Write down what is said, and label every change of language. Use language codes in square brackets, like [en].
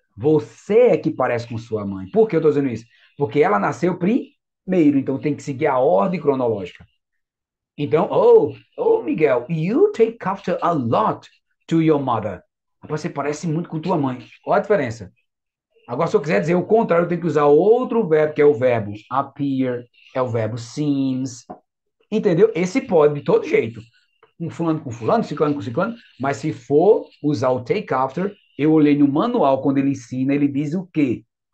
[pt] Você é que parece com sua mãe. Por que eu estou dizendo isso? Porque ela nasceu primeiro, então tem que seguir a ordem cronológica. [en] Então, oh, Miguel, you take after a lot to your mother. [pt] Você parece muito com tua mãe. Olha a diferença. Agora, se eu quiser dizer o contrário, eu tenho que usar outro verbo, que é o verbo appear, é o verbo seems. Entendeu? Esse pode, de todo jeito. Com fulano, ciclano com ciclano. Mas se for usar o take after, eu olhei no manual, quando ele ensina, ele diz o quê?